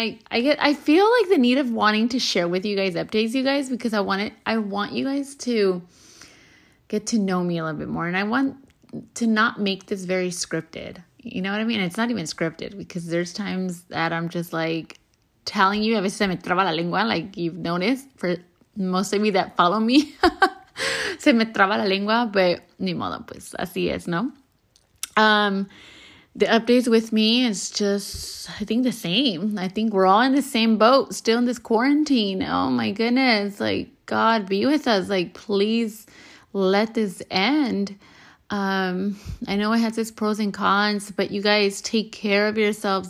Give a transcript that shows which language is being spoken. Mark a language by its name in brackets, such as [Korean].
[English] I feel like the need of wanting to share with you guys updates, you guys, because I want you guys to get to know me a little bit more. And I want to not make this very scripted. You know what I mean? It's not even scripted because there's times that I'm just like telling you, [Spanish] a veces se me traba la lengua, [English] like you've noticed for most of you that follow me. [Spanish] Se me traba la lengua, [English] but [Spanish] ni modo, pues así es, ¿no? [English] The updates with me is just, I think, the same. I think we're all in the same boat, still in this quarantine. Oh my goodness. Like, God, be with us. Like, please let this end. I know it has its pros and cons, but you guys take care of yourselves.